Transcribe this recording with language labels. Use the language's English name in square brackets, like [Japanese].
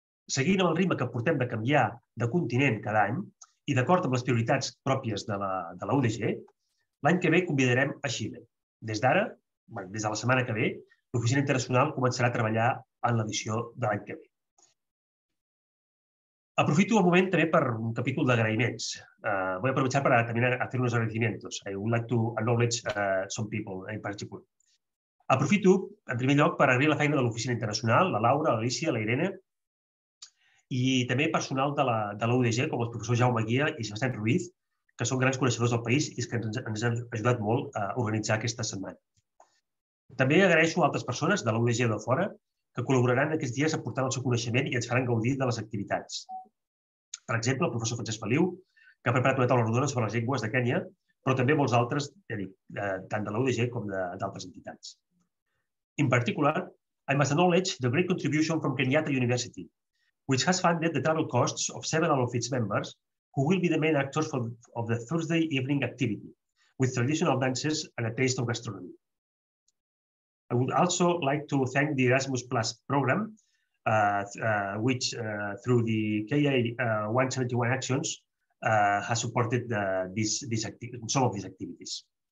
[Catalan] Seguint amb el ritme que portem de canviar de continent cada any i d'acord amb les prioritats pròpies de l'UDG, l'any que ve convidarem a Xile. Des d'ara, des de la setmana que ve, l'Oficina Internacional començarà a treballar en l'edició de l'any que ve. Aprofito el moment també per un capítol d'agraïments. Vull aprofitar per també a fer uns agraïments. [English] I would like to acknowledge some people in particular. [Catalan] Aprofito, en primer lloc, per agrair la feina de l'Oficina Internacional, la Laura, l'Alicia, la Irene, i també personal de l'UDG, com els professors Jaume Guia i Sebastián Ruiz, que són grans coneixedors del país i que ens han ajudat molt a organitzar aquesta setmana. També agraeixo a altres persones de l'UDG de fora que col·laboraran aquests dies aportant el seu coneixement i ens faran gaudir de les activitats. Per exemple, el professor Francesc Feliu, que ha preparat una taula rodona sobre les llengües de Kènia, però també molts altres, ja dic, tant de l'UDG com d'altres entitats. [English] In particular, I must acknowledge the great contribution from Kenyatta University, which has funded the travel costs of several of its members who will be the main actors of the Thursday evening activity, with traditional dances and a taste of gastronomy. I would also like to thank the Erasmus Plus program, which through the KIA 171 actions has supported some of these activities.